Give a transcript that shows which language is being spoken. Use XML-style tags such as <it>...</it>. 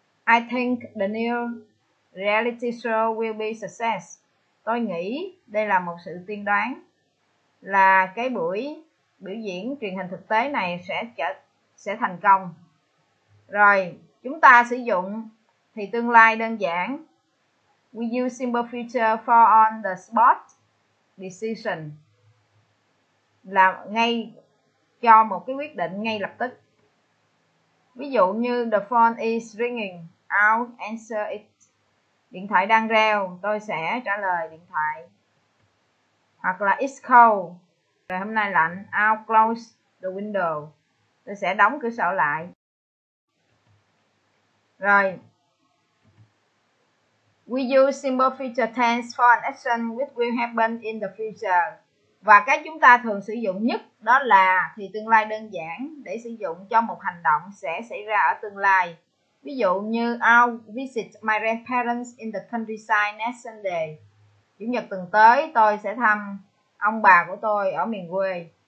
<en>I think the new reality show will be success,</en> <vi>tôi nghĩ đây là một sự tiên đoán là cái buổi biểu diễn truyền hình thực tế này sẽ thành công. Rồi chúng ta sử dụng thì tương lai đơn giản.</vi> <en>We use simple future for on the spot decision,</en> <vi>là ngay cho một cái quyết định ngay lập tức. Ví dụ như</vi> <en>the phone is ringing, I'll answer it.</en> <vi>Điện thoại đang reo, tôi sẽ trả lời điện thoại. Hoặc là</vi> <en>it's cold,</en> <vi>trời hôm nay lạnh,</vi> <en>I'll close the window,</en> <vi>tôi sẽ đóng cửa sổ lại. Rồi,</vi> <en>we use simple future tense for an action which will happen in the future.</en> <vi>Và cái chúng ta thường sử dụng nhất đó là thì tương lai đơn giản để sử dụng cho một hành động sẽ xảy ra ở tương lai. Ví dụ như</vi> <en>I'll visit my grandparents in the countryside next Sunday,</en> <vi>chủ nhật tuần tới tôi sẽ thăm ông bà của tôi ở miền quê.</vi>